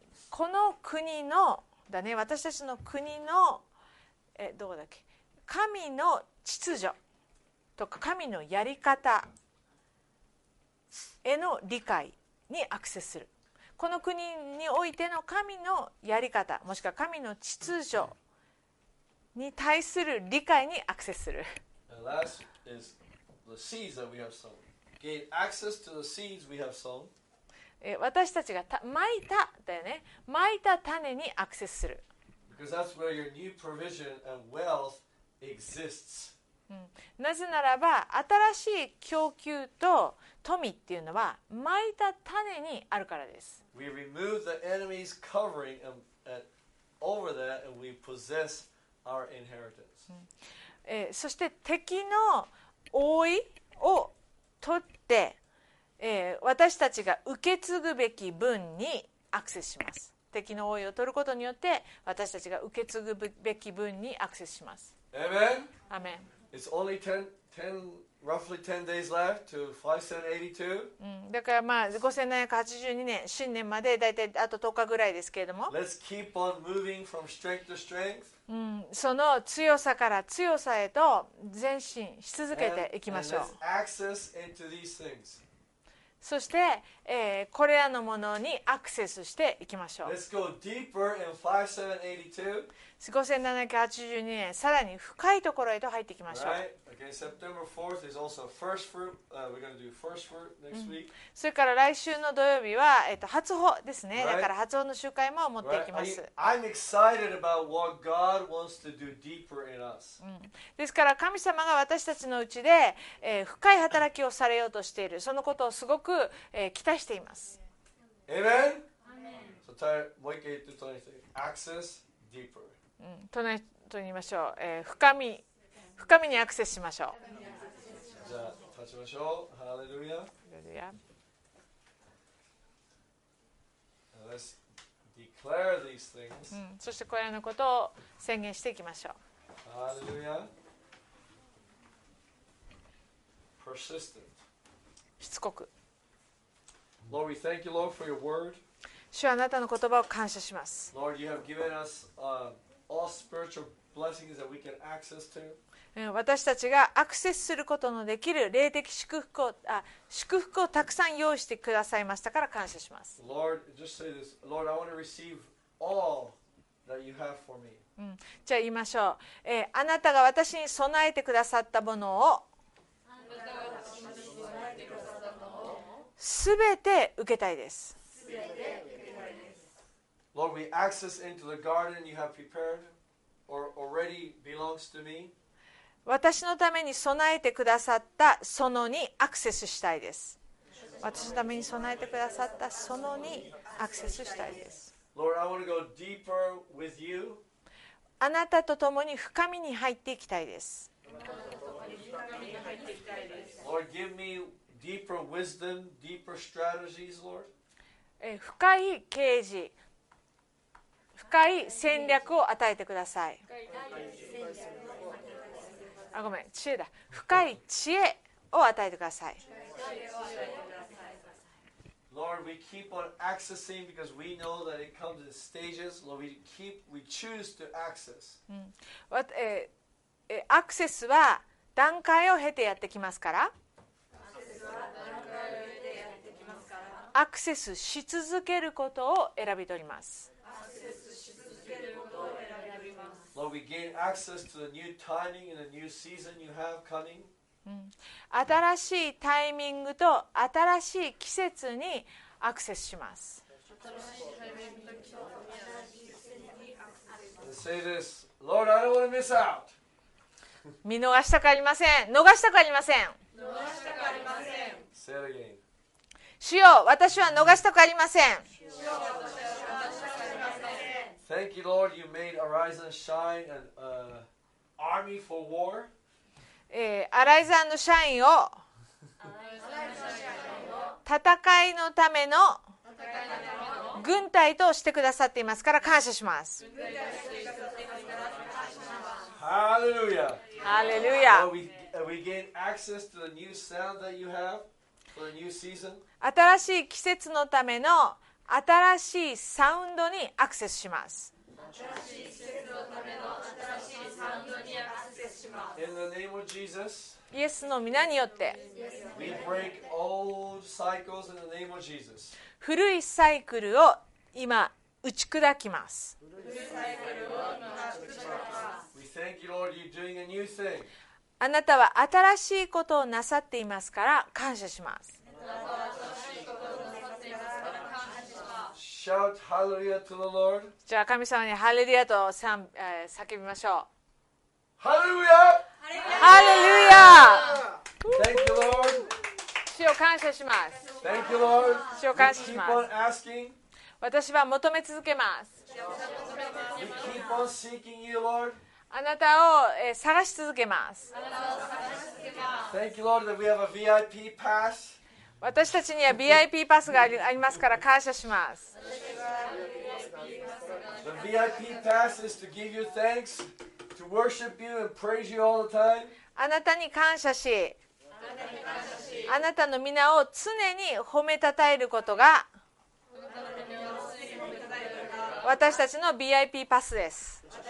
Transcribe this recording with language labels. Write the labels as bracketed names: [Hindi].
[Japanese] この国のだね、私たちの国の、どこだっけ、神の秩序とか神のやり方への理解にアクセスする。この国においての神のやり方、もしくは神の秩序に対する理解にアクセスする。 [English] And last isThe seeds that we have sown. Gain access to the seeds we have sown. [Japanese] 私たちが蒔いただよね。蒔いた種にアクセスする。 [English] Because that's where your new provision and wealth exists. [Japanese] なぜならば、新しい供給と富っていうのは蒔いた種にあるからです。 [English] We remove the enemy's covering and over that, and we possess our inheritance. [Japanese] そして敵の覆いを取って、私たちが受け継ぐべき分にアクセスします。敵の覆いを取ることによって私たちが受け継ぐべき分にアクセスします。アメン。アメン。 [English] It's only 10 roughly 10 days left to 5782. [Japanese] だからまあ5782年新年までだいたいあと10日ぐらいですけれども。 [English] Let's keep on moving from strength to strength. [Japanese] その強さから強さへと前進し続けていきましょう。 [English] And access into these things. [Japanese] そして、これらのものにアクセスしていきましょう。 [English] Let's go deeper in 5782. [Japanese] 5782年さらに深いところへと入っていきましょう。 [English] Right. Okay. September 4th is also first fruit. We're going to do first fruit next week. [Japanese] それから来週の土曜日は、初穂ですね。 [English] Right. [Japanese] だから初穂の集会も持っていきます。 [English] Right. I'm excited about what God wants to do deeper in us. [Japanese] ですから神様が私たちのうちで、深い働きをされようとしている。そのことをすごく、期待しています。 [English] Amen. Amen. So, try, [Japanese] もう一回言ってください。 [English] Access deeper. [Japanese] 隣に言いましょう、深みにアクセスしましょう。じゃあ立ちましょう。ハレルヤ。 [English] Let's declare these things. [Japanese] そしてこれらのことを宣言していきましょう。ハレルヤ。 [English] Persistent. [Japanese] しつこく。 [English] Lord, we thank you, Lord, for your word. [Japanese] 主はあなたの言葉を感謝します。 [English] Lord, you have given us, all spiritual blessings that we can access to. [Japanese] 私たちがアクセスすることのできる霊的祝福を、祝福をたくさん用意してくださいましたから感謝します。 [English] Lord, just say this. Lord, I want to receive all that you have for me. [Japanese] じゃあ言いましょう。あなたが私に備えてくださったものを、すべて受けたいです。 [English] Lord, we access into the garden you have prepared or already belongs to me. [Japanese] 私のために備えてくださった園にアクセスしたいです。私のために備えてくださった園にアクセスしたいです。 [English] Lord, I want to go deeper with you. [Japanese] あなたと共に深みに入っていきたいです。 [English] Lord, give me deeper wisdom, deeper strategies, Lord. [Japanese] 深い啓示。深い戦略を与えてください。あ、ごめん、知恵だ。深い知恵を与えてください。 [English] Lord, we keep on accessing because we know that it comes in stages. Lord, we choose to access. [Japanese] アクセスは段階を経てやってきますから、アクセスし続けることを選び取ります。 [English] Lord, we gain access to the new timing and the new season you have coming. [Japanese] 新しいタイミングと新しい季節にアクセスします。 [English] And say this, Lord, I don't want to miss out. [Japanese] 見逃したくありません。逃したくありません。逃したくありません。 [English] Say it again. [Japanese] 主よ、私は逃したくありません。 [English] Thank you, Lord. You made Arise and Shine an army for war. [Japanese] Arise and Shine を戦いのための軍隊としてくださっていますから感謝します。 [English] Hallelujah. Hallelujah. We gain access to the new sound that you have for a new season. [Japanese] 新しい季節のための新しいサウンドにアクセスします。 [English] In the name of Jesus, [Japanese] イエスの皆によって、 [English] we break old cycles in the name of Jesus. [Japanese] 古いサイクルを今打ち砕きます。 [English] We thank you, Lord, you're doing a new thing. [Japanese] あなたは新しいことをなさっていますから感謝します。 [English] Shout hallelujah to the Lord. [Japanese] じゃあ神様にハレルヤと叫びましょう。ハレルヤ。ハレルヤ。 [English] Thank you, Lord. [Japanese] 主を感謝します。 [English] Thank you, Lord. [Japanese] 主を感謝します。 [English] We keep on asking. [Japanese] 私は求め続けます。 [English] We keep on seeking you, Lord. [Japanese] あなたを探し続けます。 [English] Thank you, Lord, that we have a VIP pass. [Japanese] 私たちには VIP パスがありますから感謝します。 [English] The VIP pass is to give you thanks, to worship you and praise you all the time. [Japanese] あなたに感謝し、あなたに感あなたの皆を常に褒めたたえることが私たちの VIP パスです。